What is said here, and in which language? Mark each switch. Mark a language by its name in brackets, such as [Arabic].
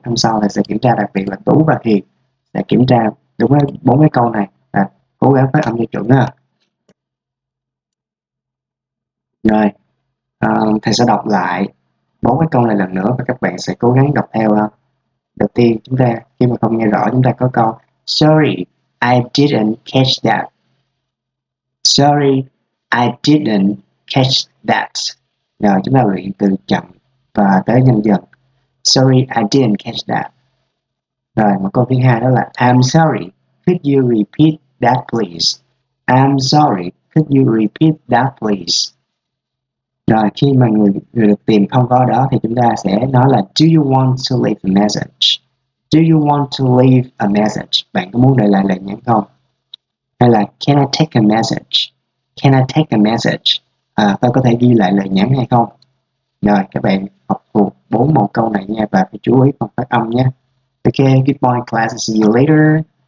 [Vietnamese] Hôm sau thầy sẽ kiểm tra, đặc biệt là Tú và Thiệt sẽ kiểm tra đúng với bốn cái câu này và cố gắng phát âm cho chuẩn ha. Rồi thầy sẽ đọc lại bốn cái câu này lần nữa và các bạn sẽ cố gắng đọc theo ha. Đầu tiên chúng ta khi mà không nghe rõ chúng ta có câu [English] Sorry, I didn't catch that. Sorry, I didn't catch that. [Vietnamese] Rồi chúng ta luyện từ chậm và tới nhanh dần. [English] Sorry, I didn't catch that. [Vietnamese] Rồi một câu thứ hai đó là [English] I'm sorry, could you repeat that please? I'm sorry, could you repeat that please? [Vietnamese] Rồi khi mà người được tìm không có đó thì chúng ta sẽ nói là [English] Do you want to leave a message? Do you want to leave a message? [Vietnamese] Bạn có muốn để lại lời nhắn không? Hay là [English] Can I take a message? Can I take a message? [Vietnamese] Tôi có thể ghi lại lời nhắn hay không? Rồi các bạn học thuộc bốn mẫu câu này nha và phải chú ý phần phát âm nhé. [English] Ok, goodbye class, see you later.